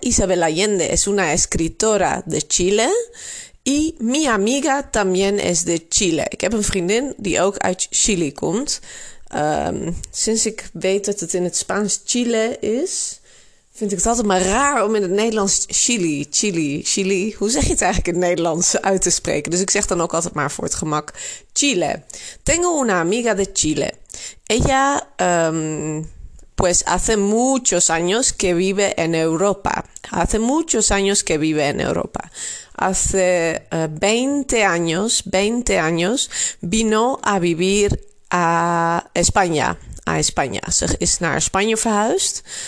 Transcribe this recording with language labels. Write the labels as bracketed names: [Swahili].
[Spanish] Isabel Allende es una escritora de Chile. Y mi amiga también es de Chile. [Dutch] Ik heb een vriendin die ook uit Chili komt. Sinds ik weet dat het in het Spaans Chile is, vind ik het altijd maar raar om in het Nederlands Chili, hoe zeg je het eigenlijk in het Nederlands uit te spreken? Dus ik zeg dan ook altijd maar voor het gemak Chile. [Spanish] Tengo una amiga de Chile. Ella, pues hace muchos años que vive en Europa. Hace muchos años que vive en Europa. Hace 20 años vino a vivir a España. [Dutch] Ze is naar Spanje verhuisd.